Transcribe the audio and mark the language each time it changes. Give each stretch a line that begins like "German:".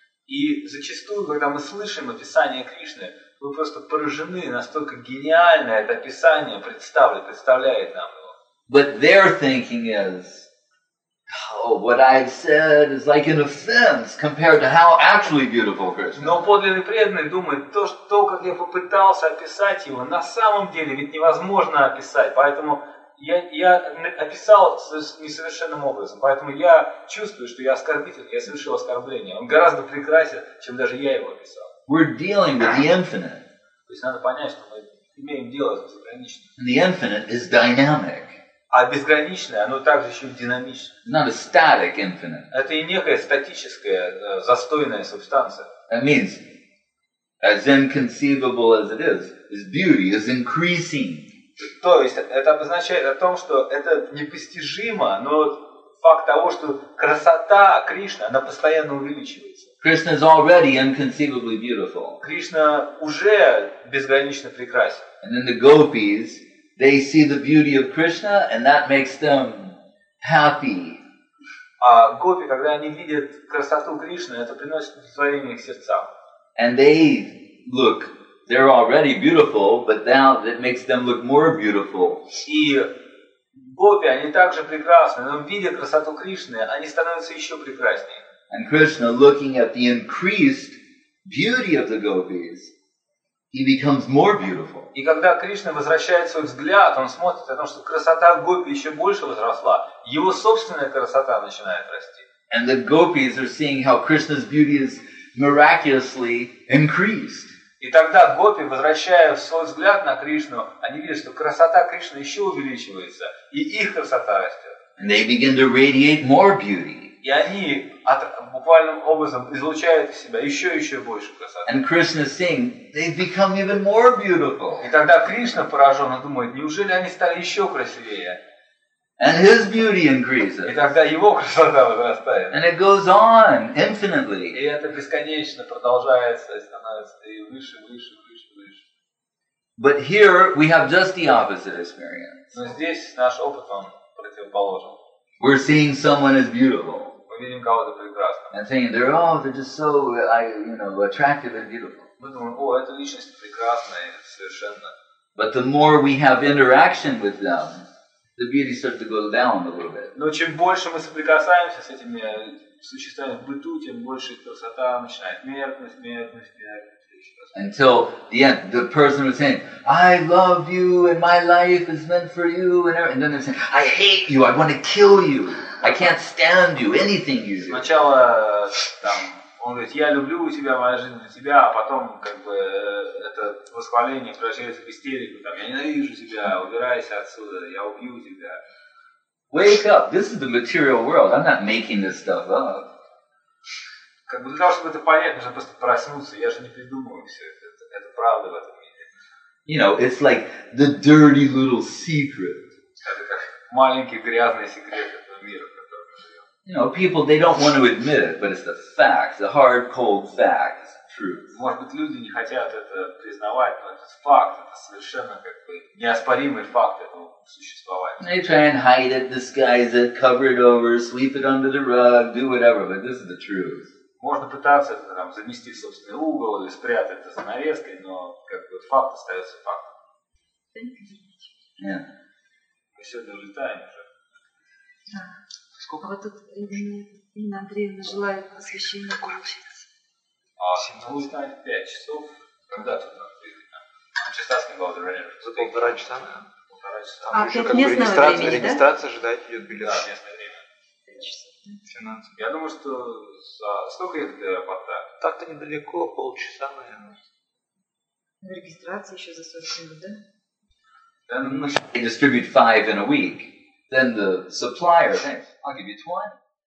Russian: И зачастую, когда мы слышим описание Кришны, мы просто поражены, настолько гениально это описание представляет нам его.
English: But their thinking is, oh, what I've said is like an offense compared to how actually beautiful Krishna.
Russian: Но подлинный преданный думает, то, как я попытался описать его, на самом деле ведь невозможно описать. Поэтому Я написал несовершенным образом, поэтому я чувствую, что я оскорбитель, я совершил оскорбление. Он гораздо прекрасен, чем даже я его описал.
English: We're dealing with the infinite.
Russian: То есть надо понять, что мы имеем дело с безграничным.
English: And the infinite is dynamic.
Russian: А безграничное, оно также еще и динамично.
English: It's not a static infinite.
Russian: Это и некая статическая, застойная субстанция.
English: That means, as inconceivable as it is, its beauty is increasing.
Russian: То есть это обозначает о том, что это непостижимо, но факт того, что красота Кришны, она постоянно увеличивается.
English: Krishna is already inconceivably beautiful.
Russian: Кришна уже безгранично прекрасен.
English: And then the gopis, they see the beauty of Krishna, and that makes them happy.
Russian: А гопи, когда они видят красоту Кришны, это приносит удовлетворение их сердцам.
English: And they look. They're already beautiful, but now it makes them look more beautiful.
Russian: И гопи, они также прекрасны, но видя красоту Кришны, они становятся еще прекраснее.
English: And Krishna, looking at the increased beauty of the gopis, he becomes more beautiful.
Russian: И когда Кришна возвращает свой взгляд, он смотрит о том, что красота гопи еще больше возросла, его собственная красота начинает расти.
English: And the gopis are seeing how Krishna's beauty is miraculously increased.
Russian: И тогда гопи, возвращая свой взгляд на Кришну, они видят, что красота Кришны еще увеличивается, и их красота растет.
English: And they begin to radiate more beauty.
Russian: И они буквальным образом излучают из себя еще и еще больше красоты.
English: And Krishna is saying, they've become even more beautiful.
Russian: И тогда Кришна поражен, он думает, неужели они стали еще красивее?
English: And his beauty increases.
Russian: И тогда его красота возрастает.
English: And it goes on infinitely.
Russian: И это бесконечно продолжается и становится и выше, выше, выше, выше.
English: But here we have just the opposite experience.
Russian: Но здесь наш опыт он противоположен.
English: We're seeing someone as beautiful.
Russian: Мы видим кого-то прекрасного.
English: And thinking they're just so attractive and beautiful.
Russian: Мы думаем, о, эта личность прекрасная совершенно.
English: But the more we have interaction with them. The beauty starts to go down a little bit.
Russian: Но чем больше мы соприкасаемся с этими существами в быту, тем больше красота начинает меркнуть, меркнуть, меркнуть.
English: Until the end, the person was saying, "I love you, and my life is meant for you," and then they're saying, "I hate you. I want to kill you. I can't stand you. Anything you do."
Russian: Сначала там он говорит, "Я люблю тебя, моя жизнь для тебя," а потом как бы это восхваление превращается в истерику. Там, я ненавижу тебя, убирайся отсюда, я убью тебя.
English: Wake up! This is the material world. I'm not making this stuff up.
Russian: Как бы для того, чтобы это понять, нужно просто проснуться. Я же не придумываю все это правда в этом мире.
English: You know, it's like the dirty little secret.
Russian: Это как маленький грязный секрет этого мира, в котором мы живем.
English: You know, people they don't want to admit it, but it's the fact, the hard, cold fact.
Russian: Может быть, люди не хотят это признавать, но этот факт, это совершенно как бы неоспоримый факт этого существования.
English: They try and hide it, disguise it, cover it over, sweep it under the rug, do whatever, but this is the truth.
Russian: Можно пытаться это там замести в собственный угол или спрятать это за нарезкой, но как бы факт остается фактом.
English: Yeah.
Russian: Мы сегодня улетаем уже. Да. Сколько? А вот тут Ирина Андреевна желает посвящения Гурджи. А будет на 5 часов, когда туда приехать? Часа с ним было раньше. За полтора часа, наверное. Полтора часа. А, еще как бы регистрация, времени, регистрация да? Ждать идет билет. Да, местное время. 5 часов. 17. Я думаю, что за сколько ехать до аэропорта? Так-то недалеко, полчаса, наверное. Регистрация еще за 40 минут, да?
English: Then they distribute 5 in a week. Then the supplier, thanks, I'll give you 20.